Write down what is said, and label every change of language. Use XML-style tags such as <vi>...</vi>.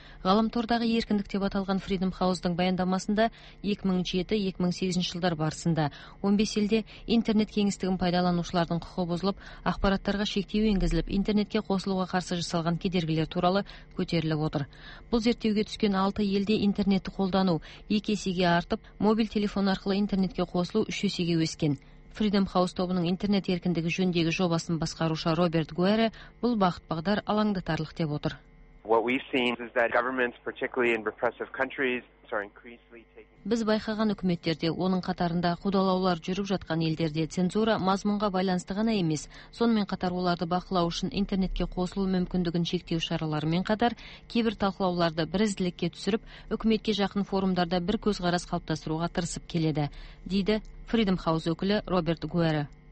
<kk>Ғаламтордағы еркіндік деп аталған Freedom House-дың баяндамасында 2007-2008 жылдар барысында 15 елде интернет кеңістігін пайдаланушылардың құқығы бұзылып, ақпараттарға шектеу енгізіліп, интернетке қосылуға қарсы жасалған кедергілер туралы көтеріліп отыр. Бұл зерттеуге түскен 6 елде интернетті қолдану 2 есеге артып, мобиль телефон арқылы интернетке қосылу 3 есеге өскен. Freedom House тобының интернет еркіндігі жөніндегі жобасын басқарушы Роберт Гуэре бұл бағыт-бағдар алаңдатарлық деп отыр.</kk> <en>What we've seen is that governments, particularly in repressive countries, are increasingly taking.</en> <kk>Біз байқаған үкіметтерде, оның қатарында қудалаулар жүріп жатқан елдерде цензура мазмұнға байланысты ғана емес, сонымен қатар оларды бақылау үшін интернетке қосылу мүмкіндігін шектеу шараларымен қатар кейбір талқылауларды бірізділікке түсіріп, үкіметке жақын форумдарда бір көзқарас қалыптастыруға тырысып келеді, дейді Freedom House өкілі Роберт Гуэре.</kk>